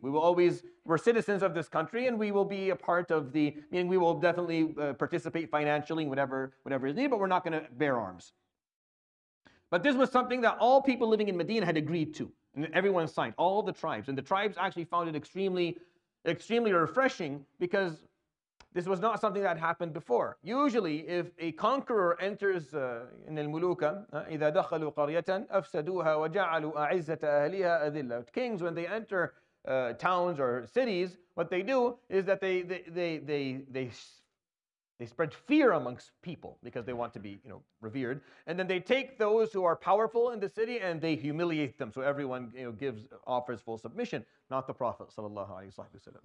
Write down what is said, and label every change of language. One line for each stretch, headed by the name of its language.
English: We're citizens of this country, and we will be a part of the, meaning we will definitely participate financially in whatever is needed, but we're not going to bear arms. But this was something that all people living in Medina had agreed to. And everyone signed, all the tribes. And the tribes actually found it extremely, extremely refreshing, because this was not something that happened before. Usually, if a conqueror enters in al-Muluka,
Arabic: إِذَا دَخَلُوا قَرْيَةً أَفْسَدُوهَا وَجَعَلُوا أَعِزَّةَ أَهْلِهَا أَذِلَّةً.
English: Kings, when they enter towns or cities, what they do is that they spread fear amongst people because they want to be, revered. And then they take those who are powerful in the city and they humiliate them. So everyone, offers full submission. Not the Prophet sallallahu alaihi wasallam.